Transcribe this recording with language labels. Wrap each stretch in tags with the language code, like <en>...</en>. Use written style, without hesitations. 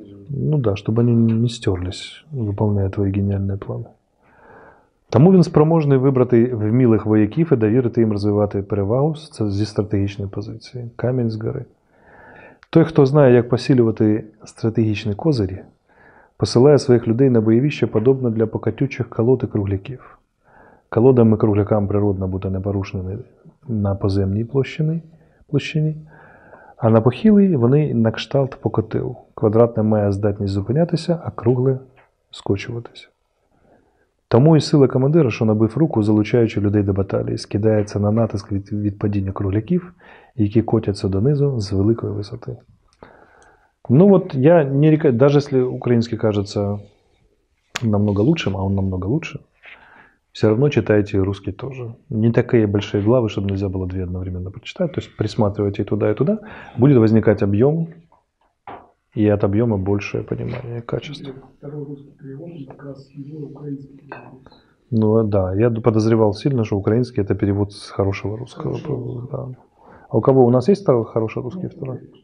<ru>Ну да, чтобы они не стерлись, выполняя твои гениальные планы.</ru> <uk>Тому він спроможний вибрати вмілих вояків і довірити їм розвивати перевагу зі стратегічної позиції. Камінь з гори. Той, хто знає, як посилювати стратегічні козирі, посилає своїх людей на бойовище, подобно для покатючих колод і кругляків. Колодам і круглякам природно бути непорушними на поземній площині, а на похилій вони на кшталт покотил. Квадратне має здатність зупинятися, а кругле – скочуватися. Тому і сила командира, що набив руку, залучаючи людей до баталії, скидається на натиск від падіння кругляків, які котяться донизу з великої висоти. Ну от я не рекомендую, навіть якщо український кажеться намного лучшим, а він намного лучше, все одно читайте русский теж. Не такі великі глави, щоб нельзя було дві одновременно прочитати. Тобто присматривайте туди і туди, буде возникати об'єм,</uk> <ru>и от объема большее понимание качества. Второй русский перевод, как раз его украинский перевод. Ну да, я подозревал сильно, что украинский это перевод с хорошего русского. Хорошо. Да. А у кого, у нас есть второй хороший русский, ну, второй?</ru>